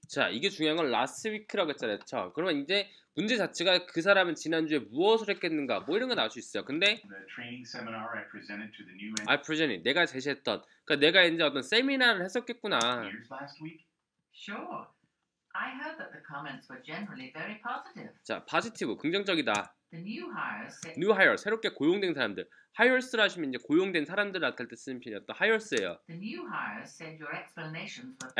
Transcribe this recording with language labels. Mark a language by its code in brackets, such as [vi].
[ko] 자, 이게 중요한 건 [en] last week [ko] 라고 했잖아요. 자, 그러면 이제 문제 자체가 그 사람은 지난주에 무엇을 했겠는가? 뭐 이런 거 나올 수 있어요. 근데 [en] the training seminar I presented to the new engineers. I presented. [ko] 내가 제시했던. 그러니까 내가 이제 어떤 세미나를 했었겠구나. [en] Last week. Sure. I heard that the comments were generally very positive. [ko] 자, 파지티브, 긍정적이다. [en] The new hires. [ko] New hire, 새롭게 고용된 사람들. Hires를 하시면 이제 고용된 사람들 나타낼 때 쓰는 표현이 또 hires예요. [en] The new hires said your explanations were.